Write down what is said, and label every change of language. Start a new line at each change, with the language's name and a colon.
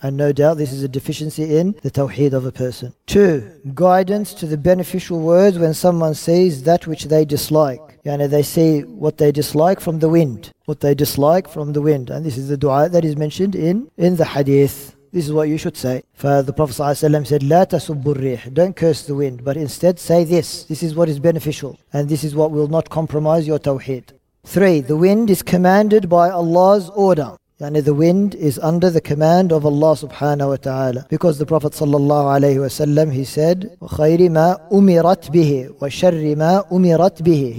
English: And no doubt this is a deficiency in the tawheed of a person. Two, guidance to the beneficial words when someone sees that which they dislike. They see what they dislike from the wind. What they dislike from the wind. And this is the dua that is mentioned in the hadith. This is what you should say. For the Prophet ﷺ said,
Arabic: لا تسب الريح.
English: Don't curse the wind, but instead say this. This is what is beneficial. And this is what will not compromise your tawheed. Three, the wind is commanded by Allah's order. The wind is under the command of Allah subhanahu wa ta'ala. Because the Prophet sallallahu alayhi wa sallam, he said,
Arabic: وَخَيْرِ مَا أُمِرَتْ بِهِ
English: وَشَرِّ مَا أُمِرَتْ بِهِ.